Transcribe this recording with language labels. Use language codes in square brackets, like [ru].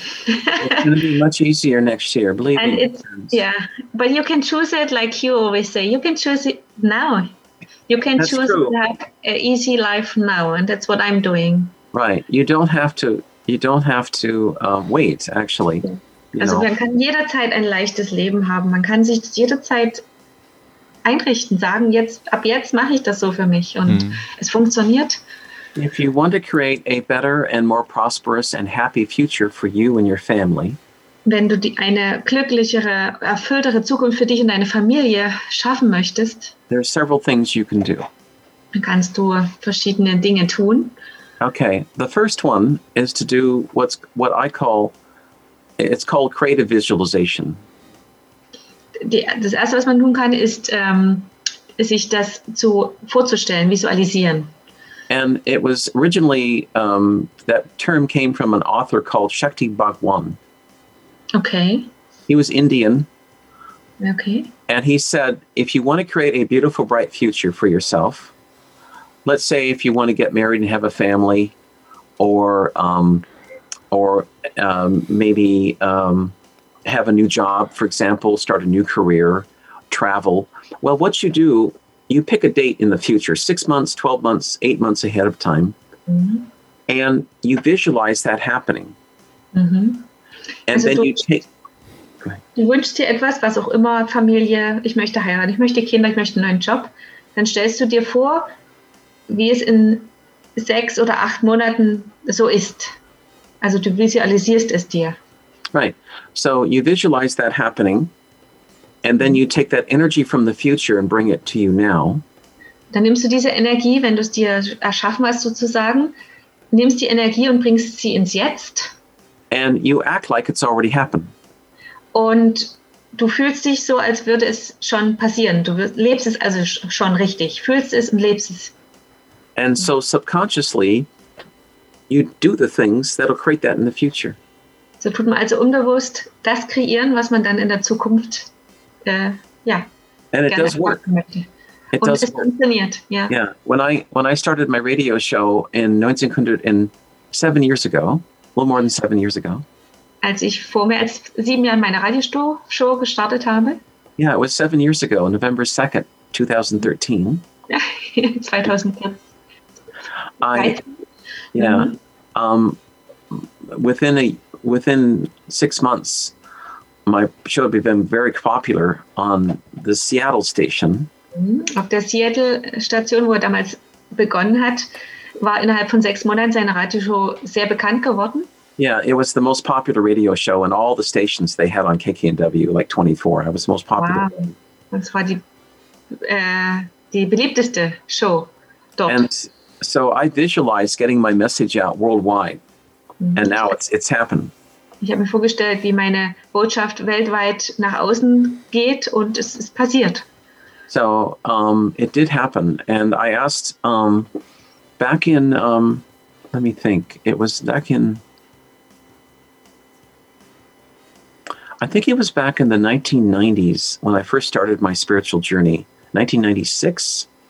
[en] It's going to be much easier next year, believe me. Yeah, but you can choose it like you always say. You can choose it now. You can to have an easy life now, and that's what I'm doing. Right. You don't have to wait, actually. [de] Also man kann jederzeit ein leichtes Leben haben. Man kann sich jederzeit einrichten, sagen, ab jetzt mache ich das so für mich und es funktioniert. [en] If you want to create a better and more prosperous and happy future for you and your family. [de] Wenn du eine glücklichere, erfülltere Zukunft für dich und deine Familie schaffen möchtest. [en] There are several things you can do. [de] Dann kannst du verschiedene Dinge tun. [en] Okay, the first one is to do what's called creative visualization. [de] Das erste, was man tun kann, ist sich das vorzustellen, visualisieren. [en] And it was originally that term came from an author called Shakti Bhagwan. Okay. He was Indian. Okay. And he said, if you want to create a beautiful, bright future for yourself. Let's say if you want to get married and have a family, or maybe have a new job, for example, start a new career, travel. Well, what you do, you pick a date in the future, 6 months, 12 months, 8 months ahead of time, mm-hmm. and you visualize that happening. Mm-hmm. And also then you take. [de] Du wünschst dir etwas, was auch immer, Familie, ich möchte heiraten, ich möchte Kinder, ich möchte einen neuen Job. Dann stellst du dir vor, wie es in 6 oder 8 Monaten so ist. Also du visualisierst es dir. [en] Right. So you visualize that happening and then you take that energy from the future and bring it to you now. [de] Dann nimmst du diese Energie, wenn du es dir erschaffen hast sozusagen, nimmst die Energie und bringst sie ins Jetzt. [en] And you act like it's already happened. [de] Und du fühlst dich so, als würde es schon passieren. Du lebst es also schon richtig. Fühlst es und lebst es. [en] And so subconsciously, you do the things that'll create that in the future. [de] So tut man also unbewusst das kreieren, was man dann in der Zukunft, [en] And it does work. It does work. [de] Und es funktioniert, ja. Yeah. [en] When I started my radio show in 1900, in 7 years ago, a little more than 7 years ago. [de] Als ich vor mehr als 7 Jahren meine Radioshow gestartet habe. [en] Yeah, it was 7 years ago, November 2nd, 2013. 2014. Within 6 months, my show had been very popular on the Seattle station. [de] Auf der Seattle Station, wo er damals begonnen hat, war innerhalb von 6 Monaten seine Radioshow sehr bekannt geworden. [en] Yeah, it was the most popular radio show in all the stations they had on KKNW, like 24. It was the most popular. [de] Wow. Das war die beliebteste Show dort. [en] And so I visualized getting my message out worldwide, and now it's happened. [de] Ich habe mir vorgestellt, wie meine Botschaft weltweit nach außen geht, und es ist passiert. [en] So it did happen, and I asked back in let me think. It was back in. I think it was back in the 1990s when I first started my spiritual journey. 1996,